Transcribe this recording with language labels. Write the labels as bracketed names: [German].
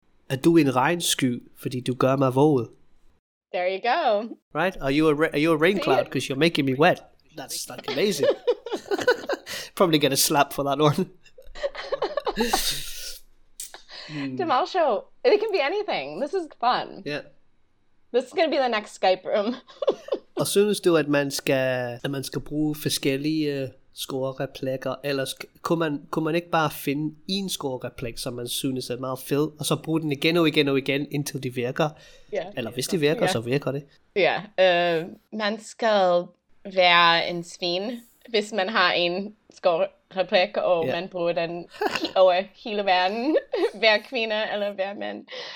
[Danish] Er du en regnsky, fordi du gør mig våd? [English] There you go. Right? Are you a rain cloud because you're making me wet? That's like amazing. Probably get a slap for that one. Demal show. It can be anything. This is fun. Yeah. This is gonna be the next Skype room. [Danish] Og synes du, at man skal bruge forskellige score-replikker, eller kunne man ikke bare finde en score-replik, som man synes er meget fed, og så bruge den igen og igen og igen, indtil de virker? Yeah. Eller hvis de virker, så virker det. Ja. Yeah. Man skal være en svin, hvis man har en score-replik, og man bruger den over hele verden, hver kvinde eller hver mand.